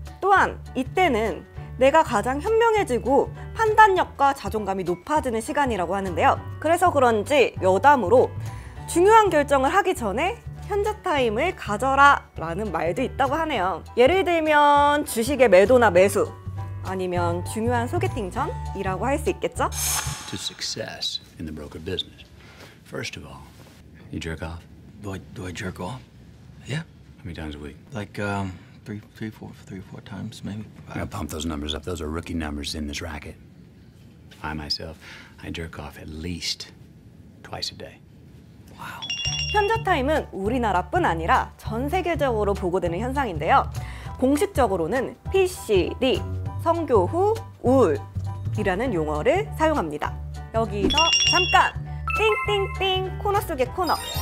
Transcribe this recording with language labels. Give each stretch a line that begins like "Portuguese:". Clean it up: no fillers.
Korean: 또한 이때는 내가 가장 현명해지고 판단력과 자존감이 높아지는 시간이라고 하는데요. 그래서 그런지 여담으로 중요한 결정을 하기 전에 현자 타임을 가져라 라는 말도 있다고 하네요. 예를 들면 주식의 매도나 매수, 아니면 중요한 소개팅 전이라고 할 수 있겠죠?
English: To success in the broker business. First of all, you jerk off. Do I jerk off? Yeah. How many times a week? Like three, four times, maybe. I'm gonna pump those numbers up. Those are rookie numbers in this racket. I myself, I jerk off at least twice a day. Wow.
Korean: 현자 타임은 우리나라뿐 아니라 전 세계적으로 보고되는 현상인데요. 공식적으로는 PCD, 성교 후 우울이라는 용어를 사용합니다. 여기서 잠깐! 띵띵띵 코너 속의 코너!